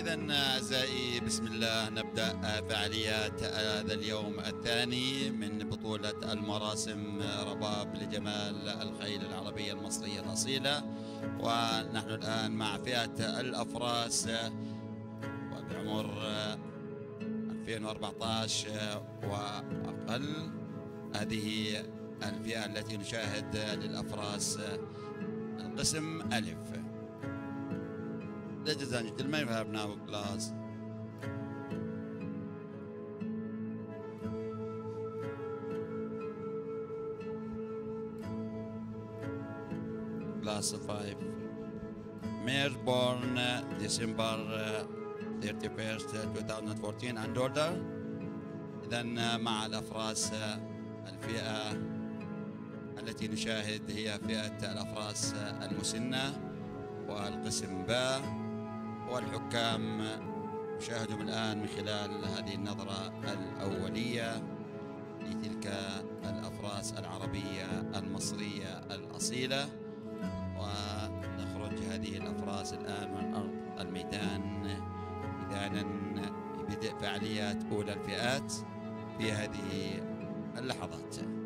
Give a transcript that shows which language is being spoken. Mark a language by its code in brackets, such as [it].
[ar] أعزائي بسم الله، نبدأ فعاليات هذا اليوم الثاني من بطولة المراسم رباب لجمال الخيل العربية المصرية الأصيلة، ونحن الآن مع فئة الأفراس وبعمر 2014 وأقل. هذه الفئة التي نشاهد للأفراس القسم ألف. [en] Ladies and gentlemen, we have now a class. Class 5. Mare born December 31st, 2014 and daughter. [ar] Then مع الأفراس الفئة التي نشاهد هي فئة الأفراس المسنة والقسم باء. والحكام نشاهدهم الآن من خلال هذه النظرة الأولية لتلك الأفراس العربية المصرية الأصيلة، ونخرج هذه الأفراس الآن من أرض الميدان إذاً لبدء فعاليات أولى الفئات في هذه اللحظات.